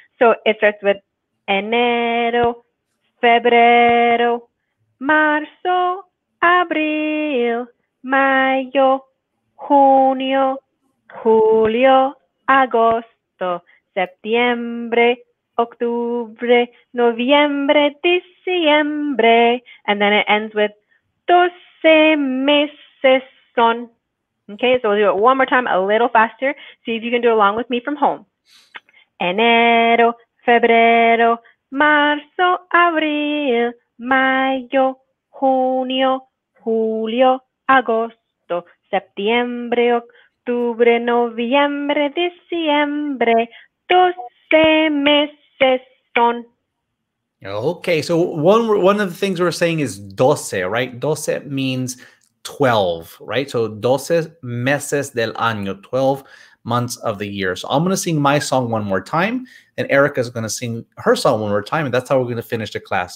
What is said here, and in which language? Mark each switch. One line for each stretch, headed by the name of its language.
English: So it starts with
Spanish: Enero, Febrero, Marzo, Abril, Mayo, Junio, Julio, Agosto, Septiembre, Octubre, Noviembre, Diciembre.
English: And then it ends with
Spanish: 12 meses son.
English: Okay, so we'll do it one more time a little faster. See if you can do it along with me from home.
Spanish: Enero, Febrero, Marzo, Abril, Mayo, Junio, Julio, Agosto, Septiembre, Octubre, Noviembre, Diciembre. 12 meses son.
English: Okay, so one of the things we're saying is 12, right? 12 means 12, right? So
Spanish: 12 meses del año,
English: 12 months of the year. So I'm going to sing my song one more time, and Erica is going to sing her song one more time, and that's how we're going to finish the class.